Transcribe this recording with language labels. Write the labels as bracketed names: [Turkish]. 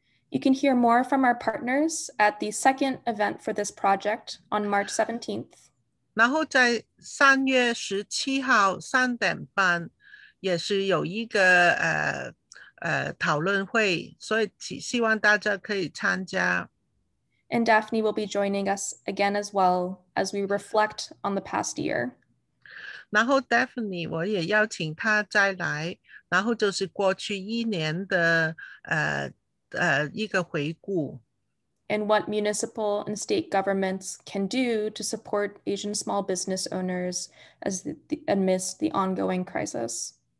[English] You can hear more from our partners at the second event for this project on March 17th. [Chinese] 然后在3月17号3点半也是有一个讨论会所以希望大家可以参加. [English] And Daphne will be joining us again as well as we reflect on the past year. [Chinese] 然后Daphne我也邀请她再来,然后就是过去一年的一个回顾. [English] And what municipal and state governments can do to support Asian small business owners amidst the ongoing crisis.